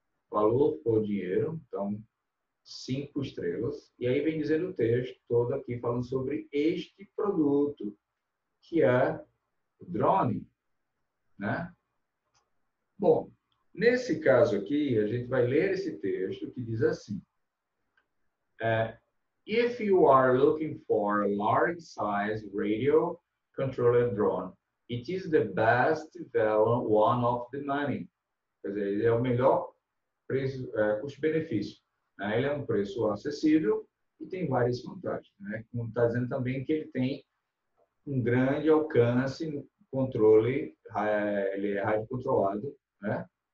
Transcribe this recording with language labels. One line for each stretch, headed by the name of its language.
Portuguese: Valor por dinheiro. Então, 5 estrelas. E aí vem dizendo o texto todo aqui falando sobre este produto, que é o drone. Né? Bom, nesse caso aqui, a gente vai ler esse texto que diz assim.
English: If you are looking for a large size radio controller drone, it is the best value one of the money.
Portuguese: Quer dizer, ele é o melhor preço, custo-benefício. Né? Ele é um preço acessível e tem várias vantagens. Né? Como está dizendo também que ele tem um grande alcance no controle, ele é rádio controlado. Né?